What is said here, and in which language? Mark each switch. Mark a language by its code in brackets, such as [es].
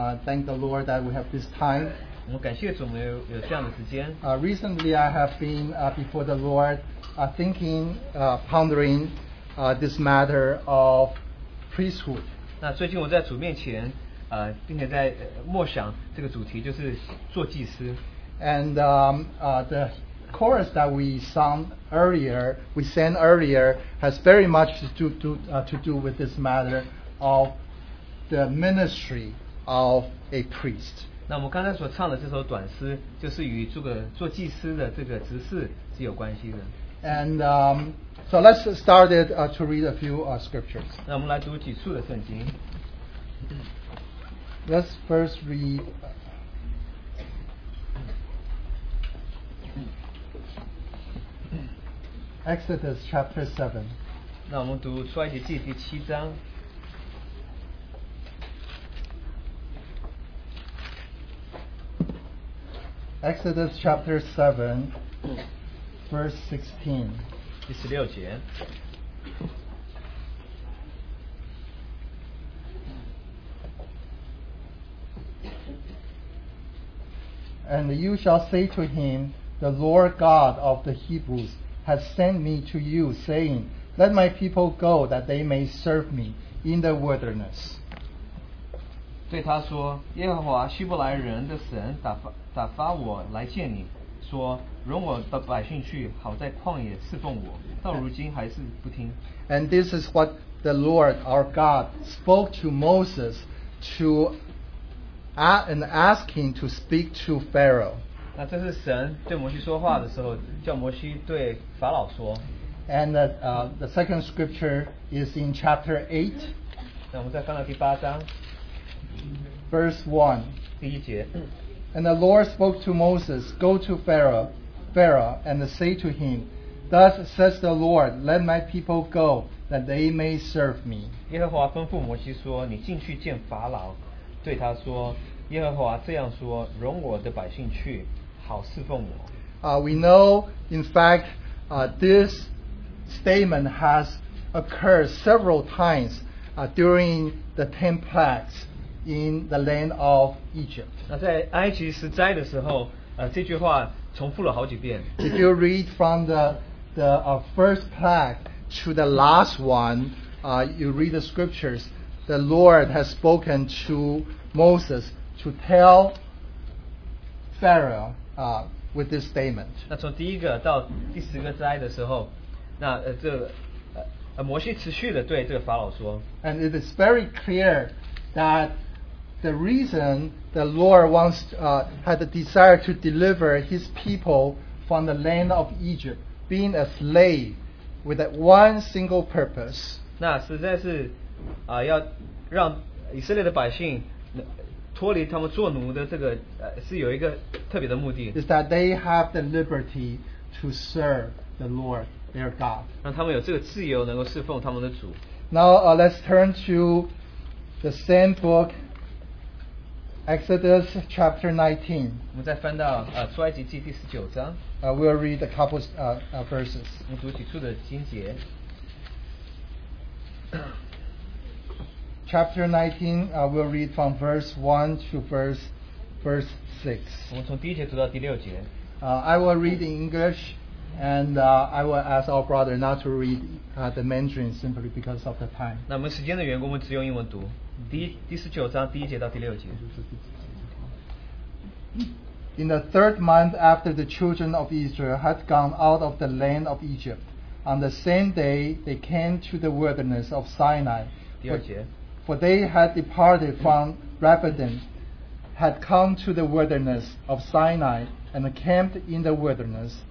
[en] Thank the Lord that we have this time. [zh] 我们感谢主，我们有这样的时间。 [en] Recently, I have been before the Lord, thinking, pondering, this matter of priesthood. [zh] 那最近我在主面前，并且在默想这个主题，就是做祭司。 [en] And the chorus that we sang earlier, we sang earlier, has very much to do with this matter of the ministry of a priest. [zh] 那我们刚才所唱的这首短诗，就是与做祭司的这个职事是有关系的。 [en] And so let's start it to read a few scriptures. [zh] 那我们来读几处的圣经。 [en] Let's first read. Exodus chapter 7. [zh] 那我们读出埃及记第七章。 [en] Exodus chapter 7, verse 16. [zh] 第十六节。 [en] And you shall say to him, The Lord God of the Hebrews, has sent me to you, saying, Let my people go, that they may serve me in the wilderness. [zh] 对他说，耶和华希伯来人的神打发我来见你，说，容我的百姓去，好在旷野侍奉我。到如今还是不听。 [en] And this is what the Lord our God spoke to Moses to and ask him to speak to Pharaoh. [zh] 那这是神对摩西说话的时候，叫摩西对法老说。 [en] And the second scripture is in chapter 8. [zh] 那我们再翻到第八章。 [en] Verse 1. [zh] 第一节。 [en] And the Lord spoke to Moses, Go to Pharaoh, and say to him, Thus says the Lord, Let my people go, that they may serve me. [zh] 耶和华吩咐摩西说，你进去见法老，对他说，耶和华这样说，容我的百姓去，好侍奉我。 [en] We know, in fact, this statement has occurred several times during the 10 plagues in the land of Egypt. [zh] 那在埃及实灾的时候，这句话重复了好几遍。 [en] If you read from the first plague to the last one, you read the scriptures, the Lord has spoken to Moses to tell Pharaoh with this statement. [zh] 那从第一个到第十个灾的时候，那这摩西持续的对这个法老说。 [en] And it is very clear that the reason the Lord wants had the desire to deliver his people from the land of Egypt, being a slave, with that one single purpose. [zh] 那实在是要让以色列的百姓脱离他们做奴的这个是有一个特别的目的。 [en] Is that they have the liberty to serve the Lord their God. [zh] 让他们有这个自由能够侍奉他们的主。 [en] Now let's turn to the same book, Exodus chapter 19. [zh] 我们再翻到出埃及记第十九章。 [en] We'll read a couple of verses. [zh] 我们读几处的经节。 [en] Chapter 19, we'll read from verse 1 to verse 6. [zh] 我们从第一节读到第六节。 [en] I will read in English, and I will ask our brother not to read the Mandarin simply because of the time. [zh] 那我们时间的缘故，我们只用英文读。第十九章第一节到第六节。 [en] In the third month after the children of Israel had gone out of the land of Egypt, on the same day they came to the wilderness of Sinai. [zh] 第二节。 [en] For they had departed from Rephidim, had come to the wilderness of Sinai, and camped in the wilderness.